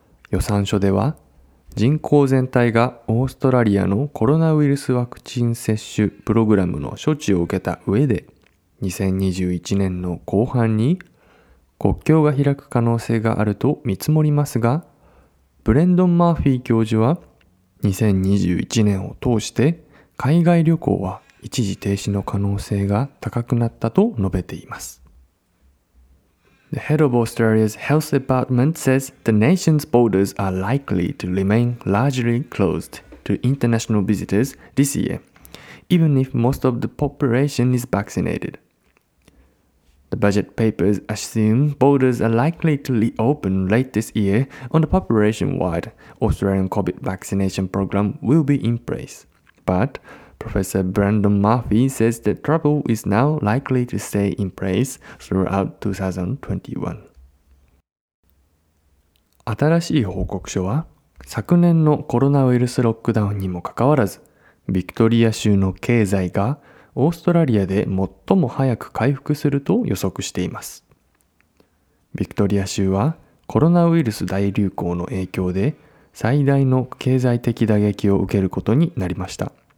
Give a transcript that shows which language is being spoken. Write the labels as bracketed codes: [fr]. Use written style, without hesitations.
[ja] 予算書では、人口全体がオーストラリアのコロナウイルスワクチン接種プログラムの処置を受けた上で、2021年の後半に国境が開く可能性があると見積もりますが、ブレンドン・マーフィー教授は、2021年を通して海外旅行は一時停止の可能性が高くなったと述べています。 [en] The head of Australia's health department says the nation's borders are likely to remain largely closed to international visitors this year, even if most of the population is vaccinated. The budget papers assume borders are likely to reopen late this year on the population-wide Australian COVID vaccination program will be in place. But Professor Brendon Murphy says that travel is now likely to stay in place throughout 2021. [ja] 新しい報告書は、昨年のコロナウイルスロックダウンにもかかわらず、ビクトリア州の経済がオーストラリアで最も早く回復すると予測しています。ビクトリア州はコロナウイルス大流行の影響で最大の経済的打撃を受けることになりました。